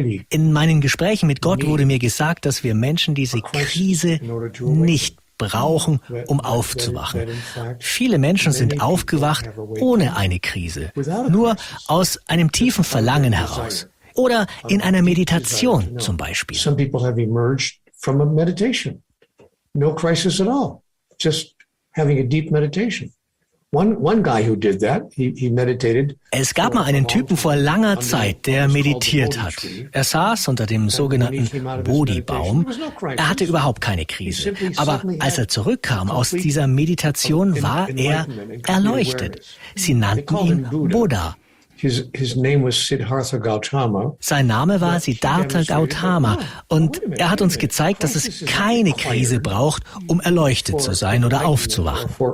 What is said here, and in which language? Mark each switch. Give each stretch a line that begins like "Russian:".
German: In meinen Gesprächen mit Gott wurde mir gesagt, dass wir Menschen diese Krise nicht brauchen, um aufzuwachen. Viele Menschen sind aufgewacht ohne eine Krise, nur aus einem tiefen Verlangen heraus oder in einer Meditation zum Beispiel.
English: Some people have emerged from a meditation. No crisis at all. Just having a deep meditation. One guy who did that, he meditated.
German: Es gab mal einen Typen vor langer Zeit, der meditiert hat. Er saß unter dem sogenannten Bodhi-Baum. Er hatte überhaupt keine Krise. Aber als er zurückkam aus dieser Meditation, war er erleuchtet. Sie nannten ihn Buddha.
English: His name was Siddhartha Gautama.
German: Sein Name war Siddhartha Gautama, und er hat uns gezeigt, dass es keine Krise braucht, um erleuchtet zu sein oder aufzuwachen.